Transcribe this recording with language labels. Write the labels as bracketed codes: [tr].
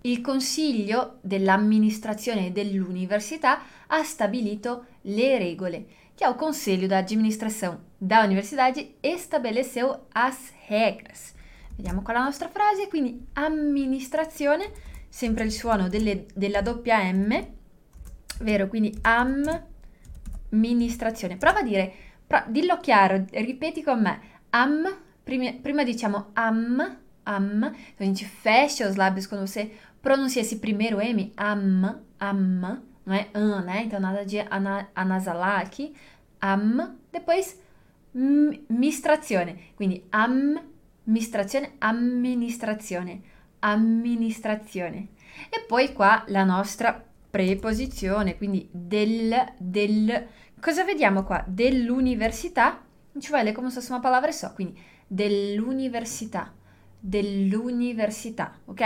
[it] Il consiglio dell'amministrazione dell'università ha stabilito le regole, che è il consiglio d'amministrazione dell'università e [pt] stabeleceu as regras. [it] Vediamo qua la nostra frase, quindi amministrazione, sempre il suono della doppia M, vero? Quindi amministrazione. Prova a dire. Però dillo chiaro, ripeti con me. Prima diciamo am, [pt] a gente fecha os lábios quando você pronuncia esse primeiro M, am, não é an, né? Então nada de anasalar aqui. Depois mistrazione. [it] Quindi amministrazione, amministrazione. E poi qua la nostra preposizione, quindi del. Cosa vediamo qua? Dell'università? Non ci vuole come se fosse una parola so, quindi dell'università, dell'università, ok?